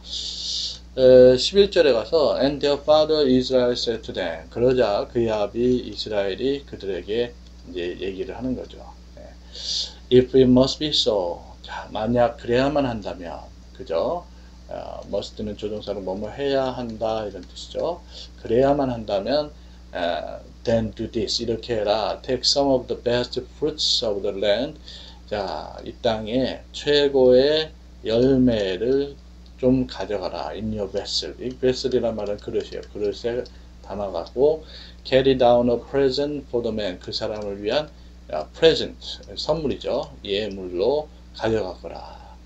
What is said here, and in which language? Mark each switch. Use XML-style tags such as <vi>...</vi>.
<ko>11절에 가서</ko> <en>and their father Israel said to them</en> <ko>그러자 그의 아비 이스라엘이 그들에게 이제 얘기를 하는 거죠.</ko> <en>If it must be so</en> <ko>자, 만약 그래야만 한다면, 그죠? must는 조동사로 뭐뭐 해야 한다, 이런 뜻이죠. 그래야만 한다면,</ko> <en>then do this.</en> <ko>이렇게 해라.</ko> <en>take some of the best fruits of the land.</en> <ko>자, 이 땅에 최고의 열매를 좀 가져가라.</ko> <en>in your vessel.</en> <ko>이 vessel이란 말은 그릇이에요. 그릇에 담아갖고,</ko> <en>carry down a present for the man.</en> <ko>그 사람을 위한 present. 선물이죠. 예물로. 가져가거라.</ko>